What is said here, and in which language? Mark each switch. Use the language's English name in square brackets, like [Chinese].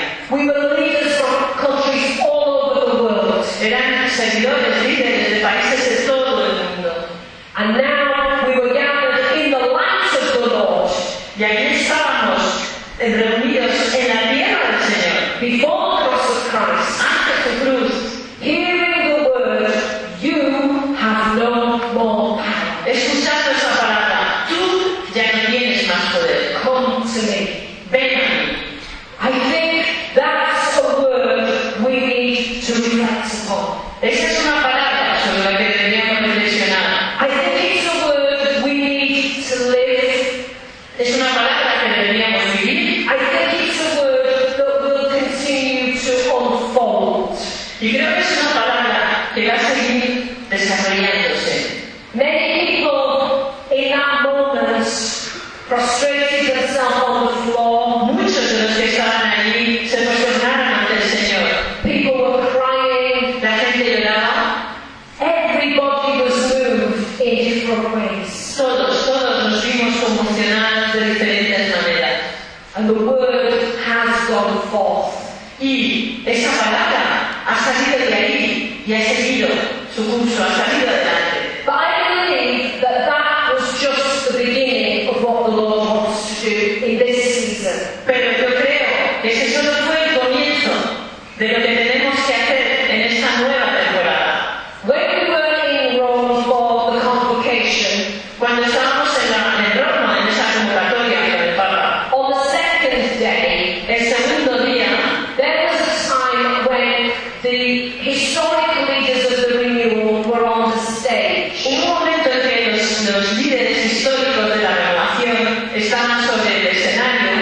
[English] We were leaders from countries all over the world. [Spanish] Eran servidores, líderes de países de todo el mundo. [English] And now we were gathered in the lands of the Lord. [Spanish] Y allí estábamos reunidos en la tierra del Señor. [English] Before the cross of Christ. [Spanish] Antes de cruz. [English] Hearing the word, you have no more power. [Spanish] Escuchando esa palabra, tú ya no tienes más poder. [English] Come to me. [Spanish] Ven a mí. [English] I think that's a word we need to reflect upon. [Spanish] Esa es una palabra sobre la que deberíamos reflexionar. [English] I think it's a word we need to live. [Spanish] Es una palabra que deberíamos vivir. [English] I think it's a word that will continue to unfold. [Spanish] Y creo que es una palabra que va a seguir desarrollándose. [English] Many people in that moment prostrated themselves on the floor. [Spanish] Muchos de los que estaban allí se prosternaron ante el Señor. [English] People were crying. [Spanish] La gente lloraba. [English] Everybody was moved in different ways. [Spanish] Todos nos vimos conmocionados de diferentes maneras. [English] And the word has gone forth. [Spanish] Y esa palabra ha salido de ahí y ha seguido su curso, ha salido adelante. [English] But I believe that that was just the beginning. [Spanish] Pero yo creo que ese solo fue el comienzo de lo que tenemos que hacer en esta nueva temporada. [English] When we were in Rome for the convocation, [Spanish] cuando estábamos en Roma en esa convocatoria con el Papa, [English] on the second day, [Spanish] el segundo día, [English] there was a time when the historic leaders of the renewal were on the stage. [Spanish] Un momento en que los líderes históricos de la renovación estaban sobre el escenario.